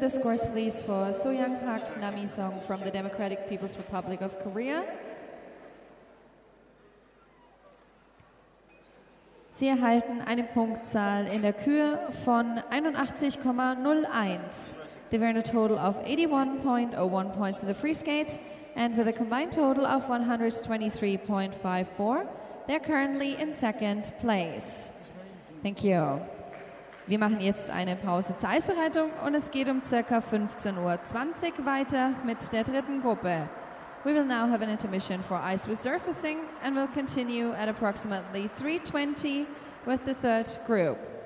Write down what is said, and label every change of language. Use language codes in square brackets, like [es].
[en] The scores please for Soyang Park Nam E Song from the Democratic People's Republic of Korea. [de] Sie erhalten eine Punktzahl in der Kür von 81,01. [en] They earn a total of 81.01 points in the free skate, and with a combined total of 123.54, they're currently in second place. Thank you. [de] Wir machen jetzt eine Pause zur Eisbereitung und es geht um ca. 15.20 Uhr weiter mit der dritten Gruppe. [en] We will now have an intermission for ice resurfacing and will continue at approximately 3:20 with the third group.